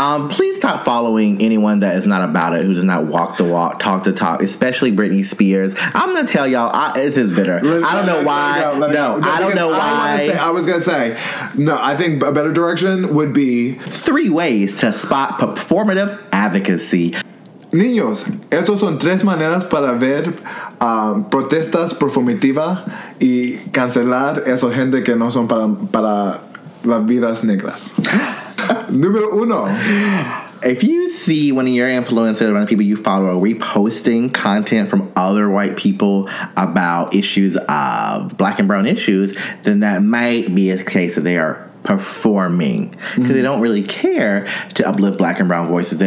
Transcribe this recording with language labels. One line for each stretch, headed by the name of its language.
English: Please stop following anyone that is not about it, who does not walk the walk, talk the talk, especially Britney Spears. I'm going to tell y'all, this is bitter. I don't know why. No, I don't know why. I was going to say, no, I think a better direction would be three ways to spot performative advocacy.
Spanish: Niños, estos son tres maneras para ver protestas performativas y cancelar esa gente que no son para las vidas negras. Número uno.
English: If you see one of your influencers or one of the people you follow reposting content from other white people about issues of black and brown issues, then that might be a case that they are performing because they don't really care to uplift black and brown voices.